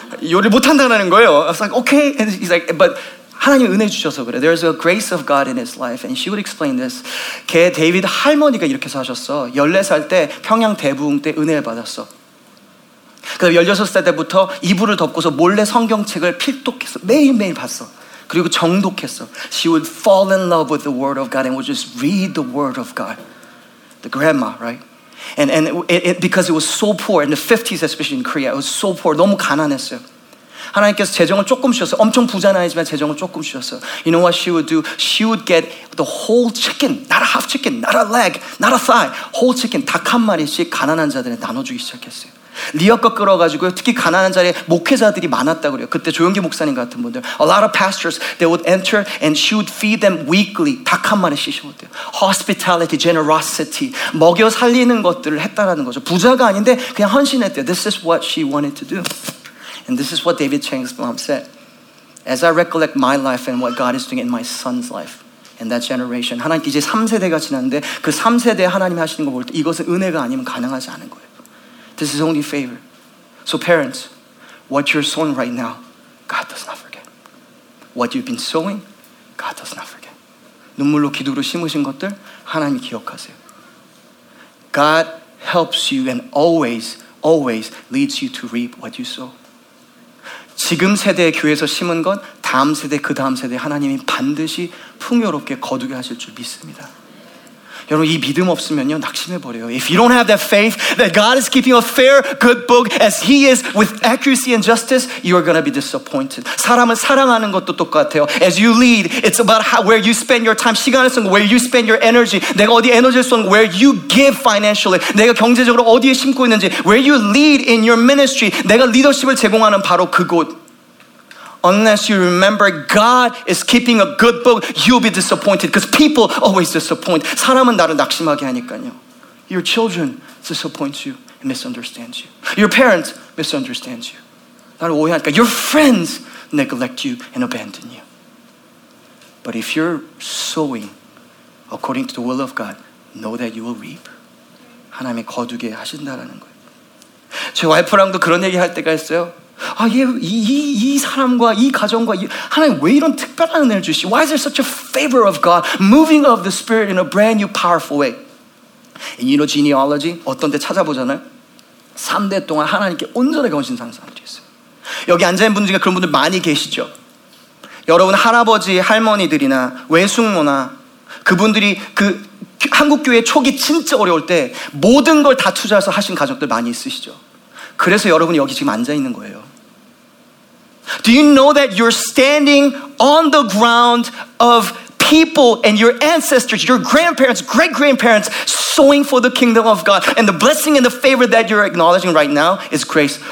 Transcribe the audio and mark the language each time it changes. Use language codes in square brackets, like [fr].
[ko] 요리 못한다는 거예요. [en] I was like, okay. And he's like, but [ko] 하나님 은혜 주셔서 그래. [en] There's a grace of God in his life. And she would explain this. [ko] 걔 데이비드 할머니가 이렇게 사셨어. 14살 때 평양 대부흥 때 은혜를 받았어. 그다음 16살 때부터 이불을 덮고서 몰래 성경책을 필독해서 매일매일 봤어. 그리고 정독했어. [en] She would fall in love with the word of God and would just read the word of God. The grandma, right? And it, because it was so poor in the 50s, especially in Korea, it was so poor. [ko] 너무 가난했어요. 하나님께서 재정을 조금 주셨어요. 엄청 부자는 아니지만 재정을 조금 주셨어요. [en] You know what she would do? She would get the whole chicken, not a half chicken, not a leg, not a thigh, whole chicken, [ko] 닭 한 마리씩 가난한 자들에 나눠주기 시작했어요. 리어가 끌어가지고 특히 가난한 자리에 목회자들이 많았다고 그래요. 그때 조용기 목사님 같은 분들. [en] A lot of pastors, they would enter and she would feed them weekly. [ko] 닭 한 마리 씻어먹대요. [en] Hospitality, generosity. [ko] 먹여 살리는 것들을 했다라는 거죠. 부자가 아닌데 그냥 헌신했대요. [en] This is what she wanted to do. And this is what David Chang's mom said. As I recollect my life and what God is doing in my son's life and that generation. [ko] 하나님께 이제 3세대가 지났는데 그 3세대에 하나님이 하시는 걸 볼 때 이것은 은혜가 아니면 가능하지 않은 거예요. [en] This is only favor. So parents, what you're sowing right now, God does not forget. What you've been sowing, God does not forget. [ko] 눈물로 기도로 심으신 것들 하나님 기억하세요. [en] God helps you and always, always leads you to reap what you sow. [ko] 지금 세대의 교회에서 심은 건 다음 세대, 그 다음 세대 하나님이 반드시 풍요롭게 거두게 하실 줄 믿습니다. 여러분 이 믿음 없으면요 낙심해버려요. [en] If you don't have that faith that God is keeping a fair, good book as He is with accuracy and justice, you are going to be disappointed. [ko] 사람을 사랑하는 것도 똑같아요. [en] As you lead, it's about how, where you spend your time. [ko] 시간을 쓰는 거, [en] where you spend your energy. [ko] 내가 어디 에너지를 쓰는 거, [en] where you give financially. [ko] 내가 경제적으로 어디에 심고 있는지, [en] where you lead in your ministry. [ko] 내가 리더십을 제공하는 바로 그곳. [en] Unless you remember God is keeping a good book, you'll be disappointed because people always disappoint. [ko] 사람은 나를 낙심하게 하니까요. [en] Your children disappoint you and misunderstand you. Your parents misunderstand you. [ko] 나를 오해하니까. [en] Your friends neglect you and abandon you. But if you're sowing according to the will of God, know that you will reap. [ko] 하나님이 거두게 하신다라는 거예요. 제 와이프랑도 그런 얘기할 때가 있어요. 아, 얘, 이 사람과 이 가정과 이, 하나님 왜 이런 특별한 은혜를 주시? [en] Why is there such a favor of God, moving of the Spirit in a brand new, powerful way? And you know genealogy? [ko] 어떤 데 찾아보잖아요. 3대 동안 하나님께 온전히 건신 상상을 했어요. 여기 앉아 있는 분 중에 그런 분들 많이 계시죠. 여러분 할아버지, 할머니들이나 외숙모나 그분들이 그 한국 교회 초기 진짜 어려울 때 모든 걸 다 투자해서 하신 가족들 많이 있으시죠. 그래서 여러분이 여기 지금 앉아있는 거예요. [en] Do you know that you're standing on the ground of people and your ancestors, your grandparents, great-grandparents, sowing for the kingdom of God? And the blessing and the favor that you're acknowledging right now is grace.